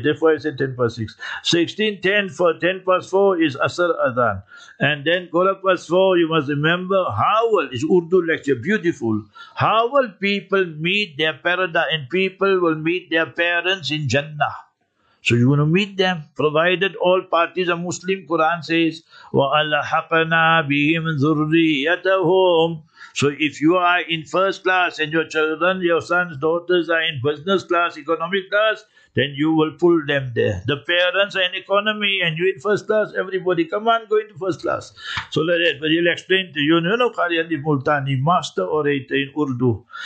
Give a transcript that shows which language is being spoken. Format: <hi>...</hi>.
<en>Therefore, I said 10 past 6. 16:10 for 10 past 4 is Asr Adhan. And then, 12 past 4, you must remember, it's Urdu lecture, beautiful. How will people meet their parents? And people will meet their parents in Jannah. So you're going to meet them, provided all parties are Muslim. Quran says,</en> <ar>وَأَلَحَقَنَا بِهِمْ ذُرِّيَّتَهُمْ.</ar> <en>So if you are in first class and your children, your sons, daughters are in business class, economic class, then you will pull them there. The parents are in economy and you in first class, everybody, come on, go into first class. So like that, but he'll explain to you. You know, Qari Alif Multani, master orator in Urdu.</en>